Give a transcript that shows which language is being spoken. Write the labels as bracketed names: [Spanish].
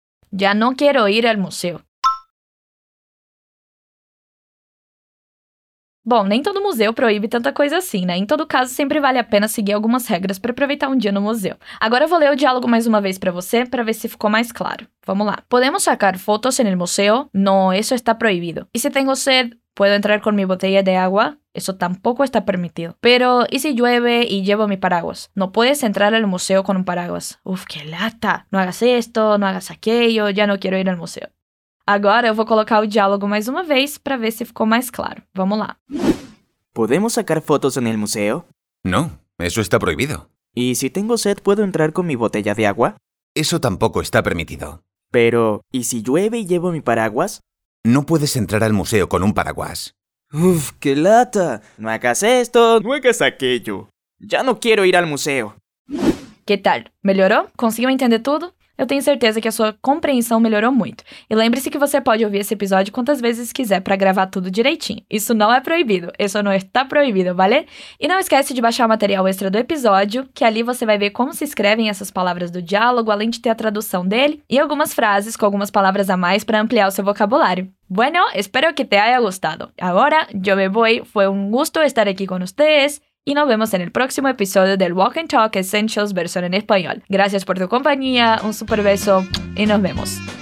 [Spanish] Ya no quiero ir al museo. [Portuguese] Bom, nem todo museu proíbe tanta coisa assim, né? Em todo caso, sempre vale a pena seguir algumas regras para aproveitar um dia no museu. Agora eu vou ler o diálogo mais uma vez para você, para ver se ficou mais claro. Vamos lá. [Spanish] Podemos sacar fotos en el museo? No, eso está prohibido. E se tengo sed, puedo entrar con mi botella de agua? Eso tampoco está permitido. Pero, ¿y si llueve y llevo mi paraguas? No puedes entrar al museo con un paraguas. Uf, qué lata. No hagas esto, no hagas aquello, ya no quiero ir al museo. [Portuguese] Agora eu vou colocar o diálogo mais uma vez para ver se ficou mais claro. Vamos lá. [Spanish] Podemos sacar fotos en el museo? No, eso está prohibido. ¿Y si tengo sed, puedo entrar con mi botella de agua? Eso tampoco está permitido. Pero, ¿y si llueve y llevo mi paraguas? No puedes entrar al museo con un paraguas. ¡Uf, qué lata! ¡No hagas esto! ¡No hagas aquello! ¡Ya no quiero ir al museo! ¿Qué tal? [Portuguese] ¿Melhorou? [Spanish] ¿Consigo entender todo? [Portuguese] Eu tenho certeza que a sua compreensão melhorou muito. E lembre-se que você pode ouvir esse episódio quantas vezes quiser para gravar tudo direitinho. Isso não é proibido. Isso não está proibido, vale? E não esquece de baixar o material extra do episódio, que ali você vai ver como se escrevem essas palavras do diálogo, além de ter a tradução dele, e algumas frases com algumas palavras a mais para ampliar o seu vocabulário. [Spanish] Bueno, espero que te haya gustado. [Portuguese] Agora, [Spanish] yo me voy. Fue un gusto estar aquí con ustedes. Y nos vemos en el próximo episodio del Walk and Talk Essentials versión en español. Gracias por tu compañía, un super beso y nos vemos.